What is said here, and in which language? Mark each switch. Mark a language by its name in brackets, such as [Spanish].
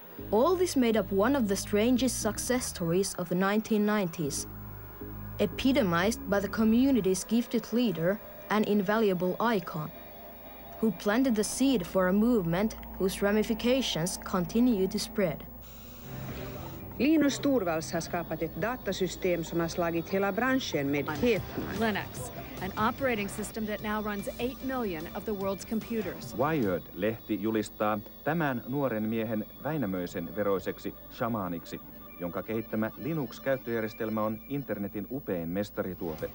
[English] All this made up one of the strangest success stories of the 1990s, epitomized by the community's gifted leader and invaluable icon, who planted the seed for a movement whose ramifications continue to spread. [Swedish] Linus Torvalds har skapat ett datasystem som har slagit hela branschen med häpnad. [English] Linux, an operating system that now runs 8 million of the world's computers. [Finnish] Wired-lehti julistaa tämän nuoren miehen Väinämöisen veroiseksi shamaaniksi, jonka kehittämä Linux-käyttöjärjestelmä on internetin upein mestarituote.